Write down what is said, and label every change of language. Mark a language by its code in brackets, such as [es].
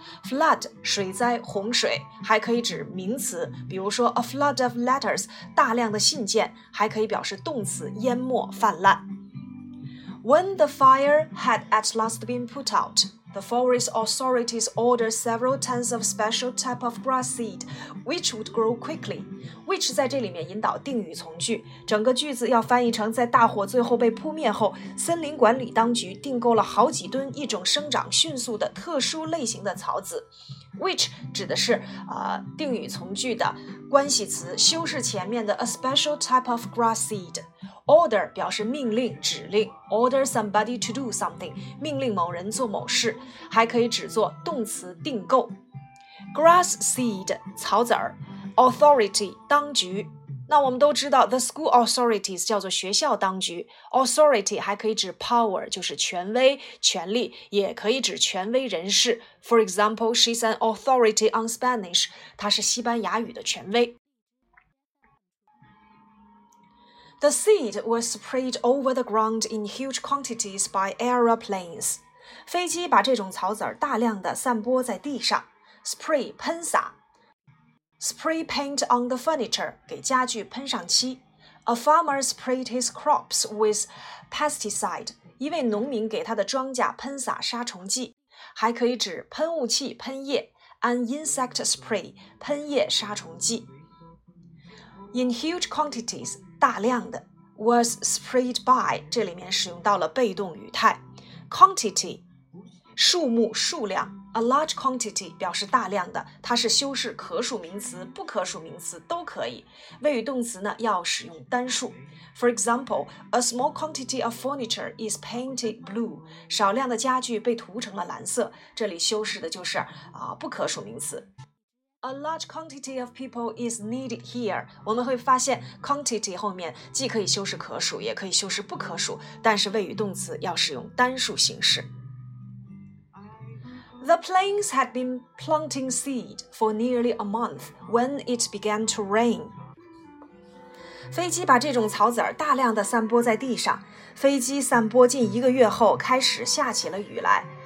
[zh] Flood, 水灾、洪水，还可以指名词，比如说 [en] a flood of letters, [zh] 大量的信件，还可以表示动词，淹没、泛滥。 [en] When the fire had at last been put out, the forest authorities ordered several tons of special type of grass seed, which would grow quickly. [zh] Which 在这里面引导定语从句，整个句子要翻译成在大火最后被扑灭后，森林管理当局订购了好几吨一种生长迅速的特殊类型的草籽。 Which 指的是定语从句的关系词，修饰前面的 [en] a special type of grass seed。 [zh] Order 表示命令、指令 ， [en] order somebody to do something， [zh] 命令某人做某事，还可以指作动词订购。 Grass seed 草籽儿 ，authority 当局。那我们都知道 ， [en] the school authorities [zh] 叫做学校当局 ，authority 还可以指 power， 就是权威、权力，也可以指权威人士。 [en] For example, she's an authority on Spanish， [zh] 她是西班牙语的权威。 [en] The seed was sprayed over the ground in huge quantities by aeroplanes. [zh] 飞机把这种草籽大量地散播在地上。 Spray 喷洒。 [en] Spray paint on the furniture [zh] 给家具喷上漆。 [en] A farmer sprayed his crops with pesticide. [zh] 一位农民给他的庄稼喷洒杀虫剂。还可以指喷雾器喷液。 [en] An insect spray [zh] 喷液杀虫剂。 In huge quantities,大量的 [en] was sprayed by， [zh] 这里面使用到了被动语态 quantity， 数目、数量 ，a large quantity 表示大量的，它是修饰可数名词、不可数名词都可以。谓语动词呢要使用单数。 [en] For example， a small quantity of furniture is painted blue， [zh] 少量的家具被涂成了蓝色。这里修饰的就是不可数名词。 [en] A large quantity of people is needed here. [zh] 我们会发现 quantity 后面既可以修饰可数也可以修饰不可数，但是谓语动词要使用单数形式。 [en] The planes had been planting seed for nearly a month when it began to rain. [zh] 飞机把这种草籽大量地散播在地上。飞机散播近一个月后开始下起了雨来。